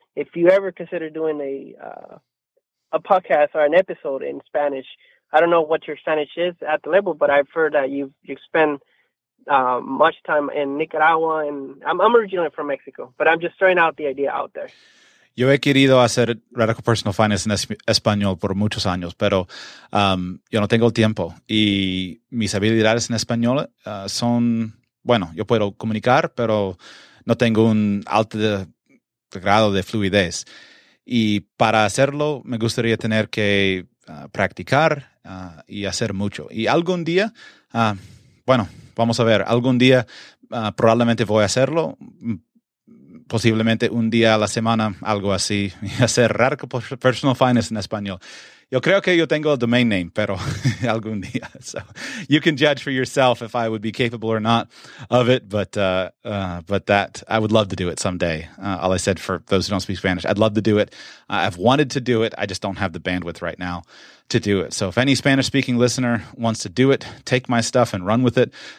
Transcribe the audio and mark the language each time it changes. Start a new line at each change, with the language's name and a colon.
English: If you ever consider doing a podcast or an episode in Spanish, I don't know what your Spanish is at the level, but I've heard that you've spent much time in Nicaragua, and I'm originally from Mexico, but I'm just throwing out the idea out there.
Spanish: Yo he querido hacer Radical Personal Finance en español por muchos años, pero yo no tengo el tiempo. Y mis habilidades en español son, bueno, yo puedo comunicar, pero no tengo un alto grado de fluidez. Y para hacerlo, me gustaría tener que practicar y hacer mucho. Y algún día, bueno, vamos a ver, algún día probablemente voy a hacerlo. Posiblemente un día a la semana, algo así, hacer Radical Personal Finance en español. Yo creo que yo tengo el domain name, pero algún día.
English: So you can judge for yourself if I would be capable or not of it, but that I would love to do it someday. All I said for those who don't speak Spanish, I'd love to do it. I've wanted to do it. I just don't have the bandwidth right now to do it. So if any Spanish-speaking listener wants to do it, take my stuff and run with it.